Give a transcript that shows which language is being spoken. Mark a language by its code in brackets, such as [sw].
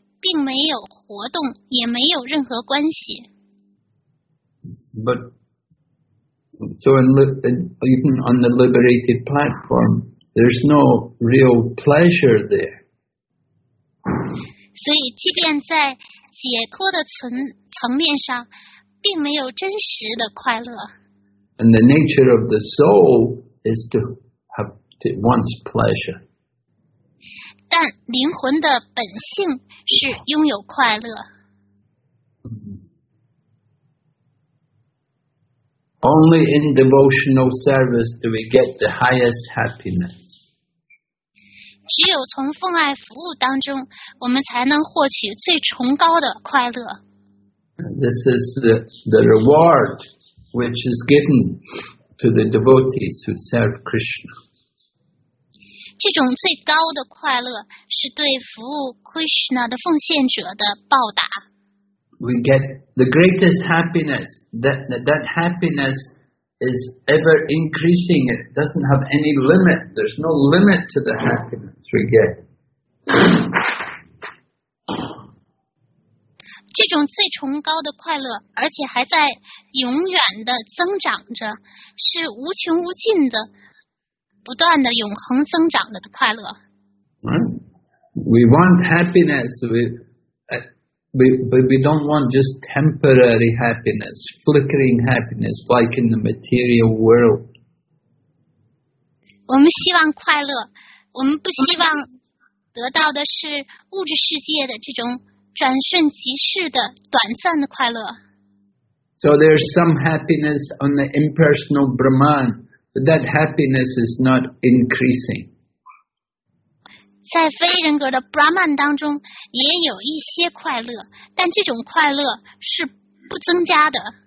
[zh] 并没有活动，也没有任何关系。 [en] But so even on the liberated platform, there's no real pleasure there. [zh] 所以，即便在解脱的层面上，并没有真实的快乐。 [en] And the nature of the soul is to have it wants pleasure. [zh] 但灵魂的本性是拥有快乐。 [en] Only in devotional service do we get the highest happiness. [zh] 只有从奉爱服务当中，我们才能获取最崇高的快乐。 [en] This is the reward which is given to the devotees who serve Krishna. [zh] 这种最高的快乐是对服务 Krishna 的奉献者的报答。 [en] We get the greatest happiness. That happiness is ever increasing. It doesn't have any limit. There's no limit to the happiness we get. [zh] 这种最崇高的快乐，而且还在永远的增长着，是无穷无尽的。不断的永恒增长的快乐。 [en] We want happiness. We don't want just temporary happiness, flickering happiness, like in the material world. [zh] 我们希望快乐，我们不希望得到的是物质世界的这种转瞬即逝的短暂的快乐。 [en] So there's some happiness on the impersonal Brahman, but that happiness is not increasing. [zh] 在非人格的 Brahman 当中也有一些快乐，但这种快乐是不增加的。